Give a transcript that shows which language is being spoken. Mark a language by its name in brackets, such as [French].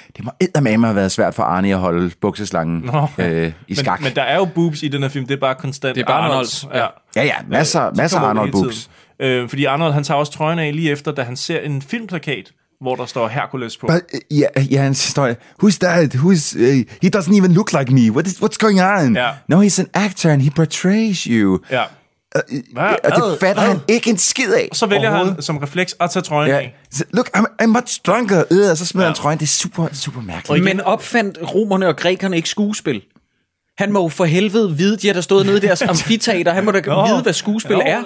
[Danish] Det må eddermame have været svært for Arnie at holde bukseslangen i skak. Men der er jo boobs i den her film, det er bare konstant. Det er bare Arnold. Ja, ja, masser Arnold boobs. Fordi Arnold, han tager også trøjen af lige efter, da han ser en filmplakat, hvor der står Hercules på. Ja, han står, [English] who's that? Who's, he doesn't even look like me. What's going on? Yeah. No, he's an actor, and he portrays you. [Danish] Ja. Og det fatter han ikke en skid af. Og så vælger han som refleks at tage trøjen af. [English] Look, I'm much stronger. [Danish] Og så smider han trøjen. Det er super, super mærkeligt. Men opfandt romerne og grækerne ikke skuespil? Han må for helvede vide, de har da stået nede i deres amfiteater. Han må da vide, hvad skuespil er.